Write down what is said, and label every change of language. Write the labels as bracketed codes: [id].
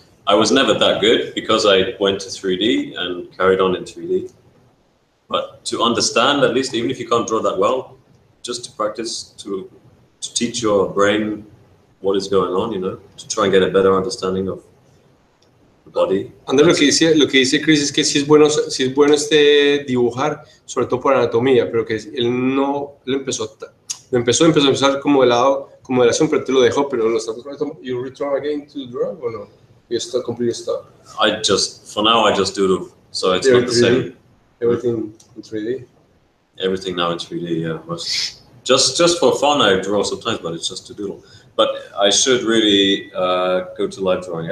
[en] I was never that good because I went to 3D and carried on in 3D. But to understand, at least, even if you can't draw that well, just to practice, to teach your brain what is going on, you know, to try and get a better understanding of the body. [es] Andrés, lo que dice Chris es que si es bueno este dibujar, sobre todo por anatomía, pero que él no lo empezó. Empezó a empezar como de lado, como de la sombra, te lo dejó, pero lo estás trabajando. [en] You return again to draw or no? You still completely stop? I just, for now, I just doodle, so it's not the same. Everything in 3D? Everything now in 3D, yeah. Just for fun, I draw sometimes, but it's just to doodle. But I should really go to live drawing.